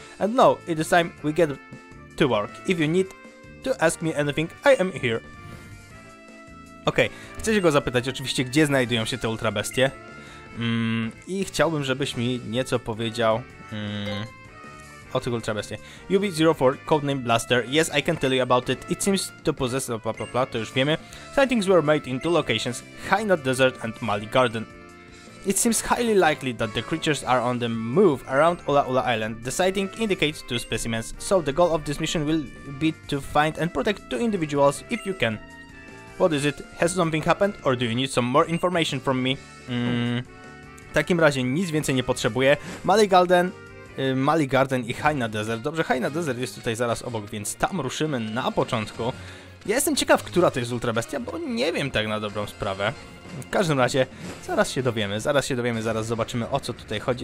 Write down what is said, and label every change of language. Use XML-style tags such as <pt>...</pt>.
<en>And now, it is time we get to work. If you need to ask me anything, I am here.</en> <pl>Okej, okay. Chcę się go zapytać oczywiście, gdzie znajdują się te ultrabestie. I chciałbym, żebyś mi nieco powiedział o tych ultrabestie.</pl> <en>UB-04, codename Blaster. Yes, I can tell you about it. It seems to possess...</en> <pl>to już wiemy.</pl> <en>Sightings were made in two locations, Hainot Desert and Mali Garden. It seems highly likely that the creatures are on the move around Ula Ula Island. The sighting indicates two specimens, so the goal of this mission will be to find and protect two individuals if you can. What is it? Has something happened? Or do you need some more information from me?</en> <pl>W takim razie nic więcej nie potrzebuję. Mali Garden i Haina Desert. Dobrze, Haina Desert jest tutaj zaraz obok, więc tam ruszymy na początku. Ja jestem ciekaw, która to jest ultrabestia, bo nie wiem tak na dobrą sprawę. W każdym razie zaraz się dowiemy, zaraz zobaczymy, o co tutaj chodzi.</pl>